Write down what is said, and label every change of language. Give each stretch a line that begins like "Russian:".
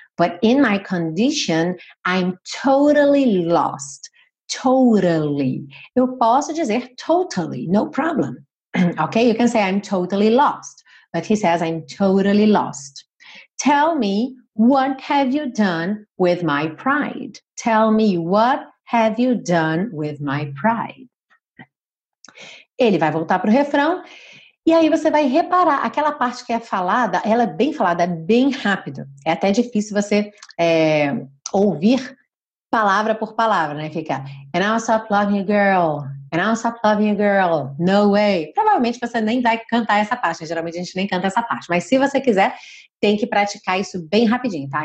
English: But in my condition, I'm totally lost. Totally.
Portuguese: Eu posso dizer totally,
English: no problem. Okay, you can say I'm totally lost. But he says I'm totally lost. Tell me, what have you done with my pride? Tell me, what have you done with my pride?
Portuguese: Ele vai voltar pro refrão, e aí você vai reparar, aquela parte que é falada, ela é bem falada, é bem rápido. É até difícil você ouvir palavra por palavra, né? Fica,
English: and I'll stop loving you, girl, and I'll stop loving you, girl, no way.
Portuguese: Provavelmente você nem vai cantar essa parte, né? Geralmente a gente nem canta essa parte, mas se você quiser, tem que praticar isso bem rapidinho, tá?